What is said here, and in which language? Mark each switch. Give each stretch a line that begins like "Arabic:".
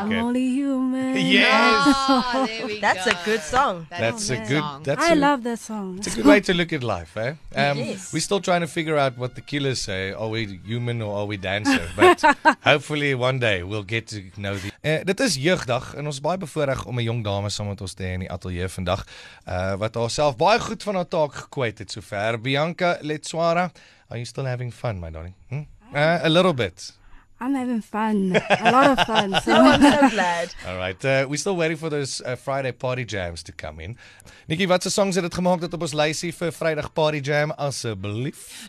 English: I'm it. I'm only human. Yes. Oh, there we that's go. A good song. That's a good song. That's I love that song. It's a good way to look at life, eh? Yes. We're still trying to figure out what the killers say. Are we human or are we dancer? But hopefully one day we'll get to know the...
Afrikaans: dit is jeugdag en ons baie bevoorreg om 'n jong dame saam met ons te hê in die ateljee vandag wat haarself baie goed van haar taak gekwyt het sover.
English: Bianca Letswara, are you still having fun, my darling? A little bit. I'm having fun. A lot of fun. So I'm so glad. All right. We're still waiting for those Friday party jams to come in.
Afrikaans: Nikki, watse songs het dit gemaak dat op ons lysie vir Vrydag party jam asseblief?